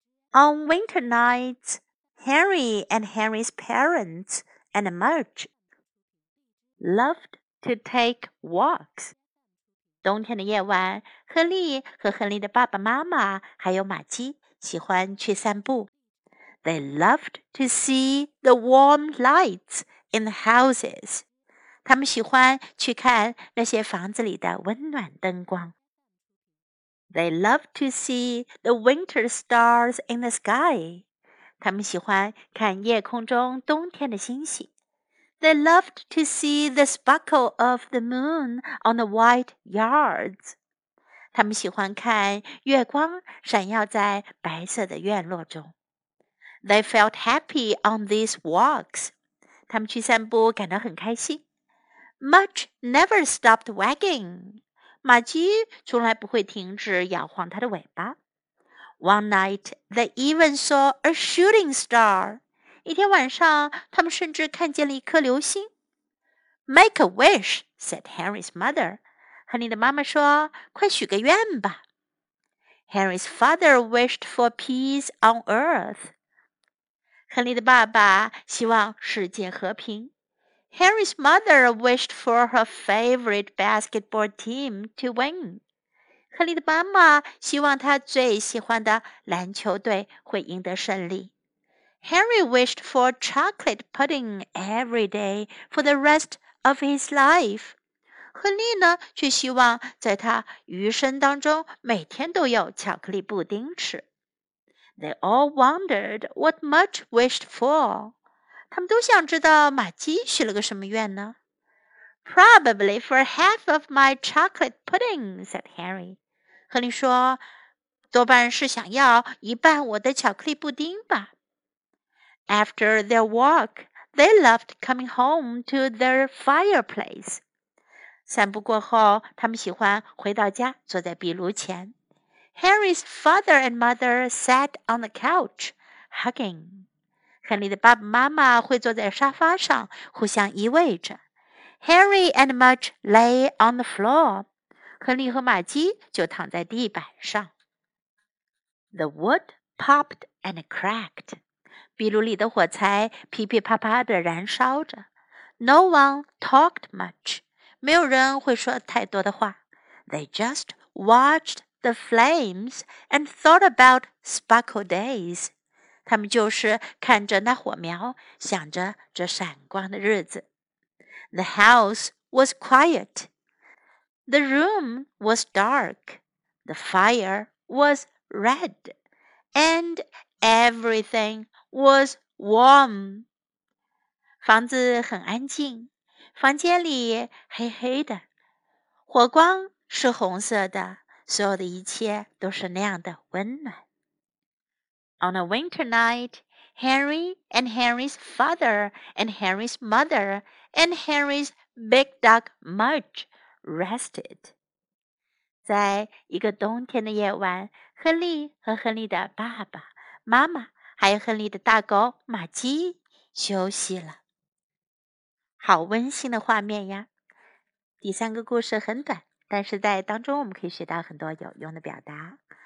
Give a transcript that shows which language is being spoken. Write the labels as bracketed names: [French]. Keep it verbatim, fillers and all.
[English] On winter nights, Harry and Harry's parents and Mudge loved to take walks. [Chinese] 冬天的夜晚，亨利和亨利的爸爸妈妈还有玛姬喜欢去散步。 [English] They loved to see the warm lights in the houses. [Chinese] 他们喜欢去看那些房子里的温暖灯光。 [English] They loved to see the winter stars in the sky. [Chinese] 他们喜欢看夜空中冬天的星星。 [English] They loved to see the sparkle of the moon on the white yards. [Chinese] 他们喜欢看月光闪耀在白色的院落中。 [English] They felt happy on these walks. [Chinese] 他们去散步感到很开心。 [English] Mudge never stopped wagging. [Chinese] 玛姬从来不会停止摇晃它的尾巴。 [English] One night, they even saw a shooting star. [Chinese] 一天晚上，他们甚至看见了一颗流星。 [English] Make a wish, said Harry's mother. [Chinese] 亨利的妈妈说：“快许个愿吧。” [English] Harry's father wished for peace on earth. [Chinese] 亨利的爸爸希望世界和平。 [English] Harry's mother wished for her favorite basketball team to win. [Chinese] 亨利的妈妈希望他最喜欢的篮球队会赢得胜利。 [English] Harry wished for chocolate pudding every day for the rest of his life. [Chinese] 亨利呢，却希望在他余生当中每天都有巧克力布丁吃。 [English] They all wondered what Mudge wished for. [Chinese] 他们都想知道玛姬许了个什么愿呢？ [English] Probably for half of my chocolate pudding, said Harry. [Chinese] 亨利说，多半是想要一半我的巧克力布丁吧。 [English] After their walk, they loved coming home to their fireplace. [Chinese] 散步过后，他们喜欢回到家，坐在壁炉前。 [English] Harry's father and mother sat on the couch, hugging. [Chinese] 亨利的爸爸妈妈会坐在沙发上，互相依偎着。 [English] Harry and Mudge lay on the floor. [Chinese] 亨利和玛姬就躺在地板上。 [English] The wood popped and cracked. [Chinese] 壁炉里的火柴噼噼啪啪地燃烧着。 [English] No one talked much. [Chinese] 没有人会说太多的话。 [English] They just watched the flames and thought about sparkle days. [Chinese] 他们就是看着那火苗，想着这闪光的日子。 [English] The house was quiet. The room was dark. The fire was red. And everything was warm. [Chinese] 房子很安静，房间里黑黑的，火光是红色的，所有的一切都是那样的温暖。 [English] On a winter night, Harry and Harry's father and Harry's mother and Harry's big dog Mudge rested. [Chinese] 在一个冬天的夜晚，亨利和亨利的爸爸妈妈还有亨利的大狗玛姬休息了。好温馨的画面呀！第三个故事很短，但是在当中我们可以学到很多有用的表达。